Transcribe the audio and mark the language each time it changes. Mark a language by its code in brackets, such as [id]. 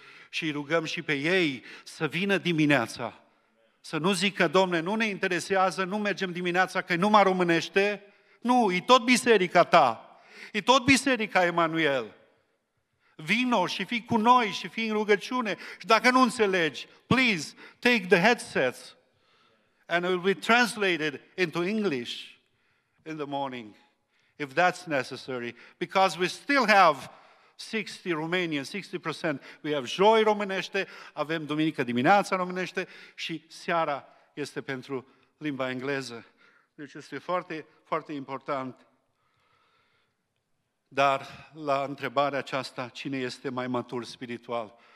[ro] Și îi rugăm și pe ei să vină dimineața. Să nu zică, Doamne, nu ne interesează, nu mergem dimineața, că numai românește. Nu, e tot biserica ta. E tot biserica Emanuel. Vino și fii cu noi și fii în rugăciune. Și dacă nu înțelegi, [en] please, take the headsets and it will be translated into English in the morning, if that's necessary, because we still have 60 Romanian, 60%. We have [ro] joi românește, avem duminică dimineața românește și seara este pentru limba engleză. Deci este foarte, foarte important. Dar la întrebarea aceasta, cine este mai matur spiritual?